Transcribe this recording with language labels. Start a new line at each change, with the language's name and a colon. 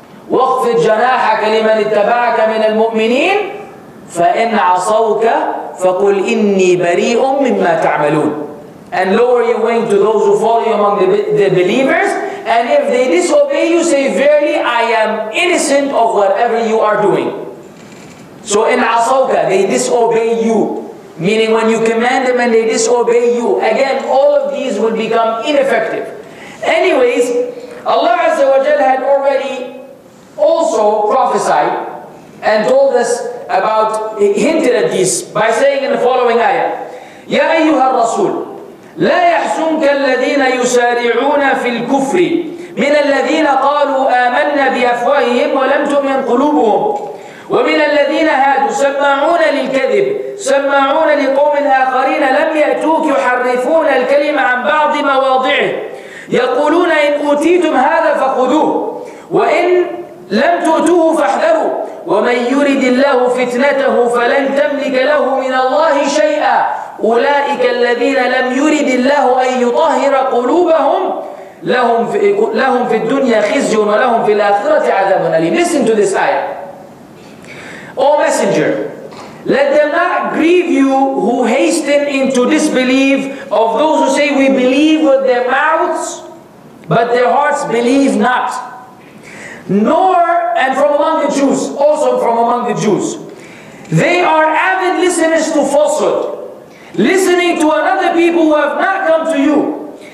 Arabic: واخفض جناحك لمن اتبعك من المؤمنين فإن عصوك فقل إني بريء مما تعملون.
English: And lower your wing to those who follow you among the believers, and if they disobey you, say, verily I am innocent of whatever you are doing. So in asawka, they disobey you. Meaning when you command them and they disobey you. Again, all of these will become ineffective. Anyways, Allah Azza wa Jal had already also prophesied and told us about, hinted at this by saying in the following ayah,
Arabic: يَا أَيُّهَا الرَّسُولُ لا يحزنك الذين يسارعون في الكفر من الذين قالوا آمنا بأفواههم ولم تؤمن قلوبهم ومن الذين هادوا سماعون للكذب سماعون لقوم آخرين لم يأتوك يحرفون الكلم عن بعض مواضعه يقولون إن أوتيتم هذا فخذوه وإن لم تؤتوه فاحذروا ومن يرد الله فتنته فلن تملك له من الله شيئا أولئك الذين لم يرد الله أن يطهر قلوبهم لهم في الدنيا خزي ولهم في الآخرة عذاب أليم.
English: Listen to this ayah. O messenger, let them not grieve you who hasten into disbelief of those who say we believe with their mouths but their hearts believe not. Nor, and from among the Jews, also from among the Jews, they are avid listeners to falsehood, listening to another people who have not come to you.